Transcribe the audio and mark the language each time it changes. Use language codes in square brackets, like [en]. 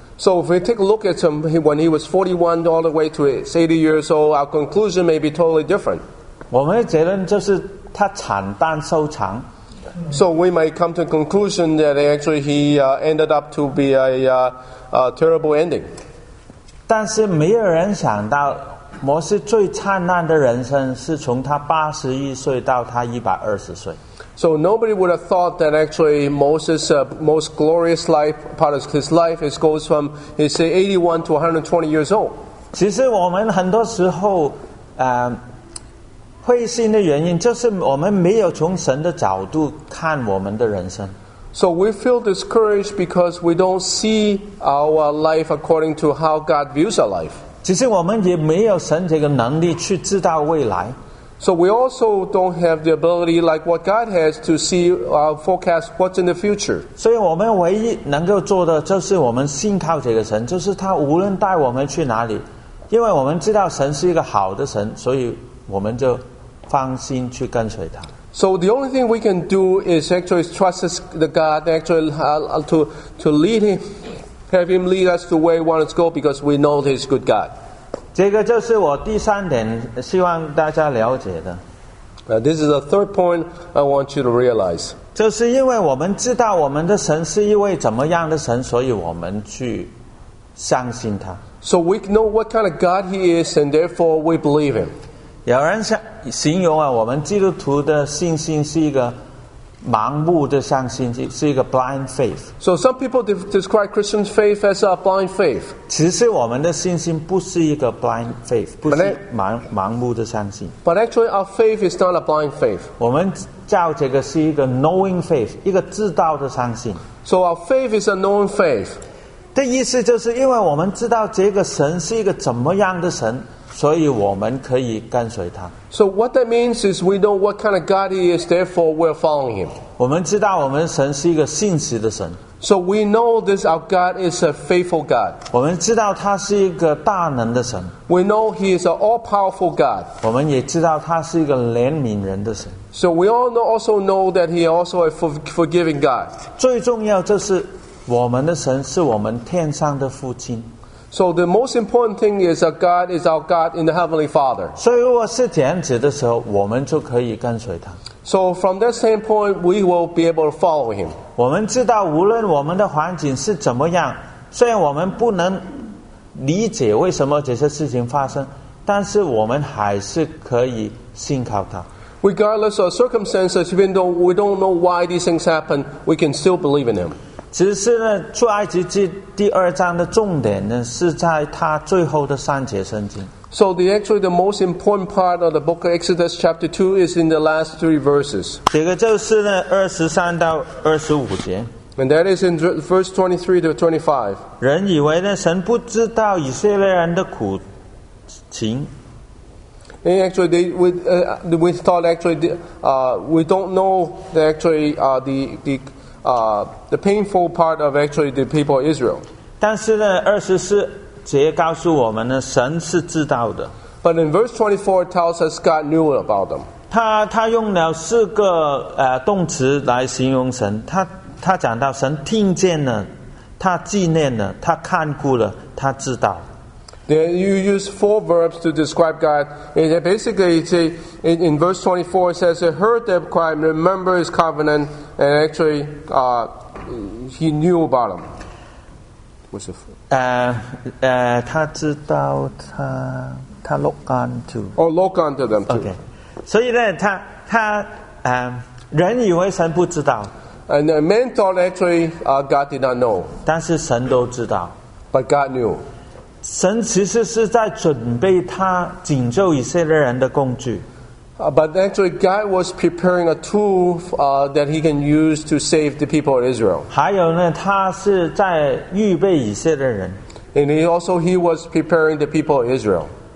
[en] So if we take a look at him when he was 41 all the way to 80 years old, our conclusion may be totally different. [zh] 我们的结论就是他惨淡收场。 [en] So we might come to a conclusion that actually he ended up to be a terrible ending. [zh] 但是没有人想到，摩西最灿烂的人生是从他八十一岁到他一百二十岁。 [en] So nobody would have thought that actually Moses' most glorious life part of his life is goes from he say 81 to 120 years old. [zh] 其实我们很多时候，灰心的原因就是我们没有从神的角度看我们的人生。 [en] So we feel discouraged because we don't see our life according to how God views our life. [zh] 其实我们也没有神这个能力去知道未来。 [en] So we also don't have the ability like what God has to see or forecast what's in the future. [zh] 所以我们唯一能够做的就是我们信靠这个神，就是他无论带我们去哪里，因为我们知道神是一个好的神，所以。我们就放心去跟随他。 [en] So the only thing we can do is actually trust the God, actually to lead him, have him lead us to where he wants to go because we know he's good God. [zh] 这个就是我第三点希望大家了解的。 [en] This is the third point I want you to realize. [zh] 就是因为我们知道我们的神是一位怎么样的神，所以我们去相信他。 [en] So we know what kind of God he is and therefore we believe him. [zh] 有人形容啊，我们基督徒的信心是一个盲目的相信，是一个 [en] blind faith. So some people describe Christian faith as a blind faith. [zh] 其实我们的信心不是一个 [en] blind faith， [zh] 不是盲目的相信。 [en] But actually, our faith is not a blind faith. [zh] 我们叫这个是一个 [en] knowing faith， [zh] 一个知道的相信。 [en] So our faith is a knowing faith. [zh] 的意思就是因为我们知道这个神是一个怎么样的神。所以我们可以跟随他。 [en] So what that means is we know what kind of God he is, therefore we're following him. [zh] 我们知道我们神是一个信实的神。 [en] So we know this our God is a faithful God. [zh] 我们知道他是一个大能的神。 [en] We know he is an all-powerful God. [zh] 我们也知道他是一个怜悯人的神。 [en] So we all also know that he is also a forgiving God. [zh] 最重要就是我们的神是我们天上的父亲。 [en] So the most important thing is that God is our God in the Heavenly Father. [zh] 所以如果是这样子的时候，我们就可以跟随他。 [en] So from that same point, we will be able to follow him. [zh] 我们知道无论我们的环境是怎么样，虽然我们不能理解为什么这些事情发生，但是我们还是可以信靠他。 [en] Regardless of circumstances, even though we don't know why these things happen, we can still believe in him. [zh] 其实呢，出埃及记第二章的重点呢，是在他最后的三节圣经。 [en] So the most important part of the book of Exodus chapter 2 is in the last three verses. [zh] 这个就是呢，二十三到二十五节。 [en] And that is in verse 23 to 25. [zh] 人以为呢，神不知道以色列人的苦情。 [en] And actually, we don't know the painful part of actually the people of Israel. [zh] 但是呢，二十四节告诉我们呢，神是知道的。 [en] But in verse 24, it tells us God knew about them. [zh] 他用了四个动词来形容神。他讲到神听见了，他纪念了，他看顾了，他知道。 [en] Then you use four verbs to describe God. And basically, in verse 24, it says, he heard their cry, remember his covenant, and actually, he knew about him. What's the fourth? [zh] 他知道他 [en] look on to. Oh, look on to them too. Okay. [zh] 所以呢,他 人以为神不知道。 [en] And the man thought actually God did not know. [zh] 但是神都知道。 [en] But God knew. [zh] 神其实是在准备他拯救以色列人的工具。 [en] But actually God was preparing a tool that he can use to save the people of Israel. [zh] 还有呢,他是在预备以色列人。 [en] And he was preparing the people of Israel.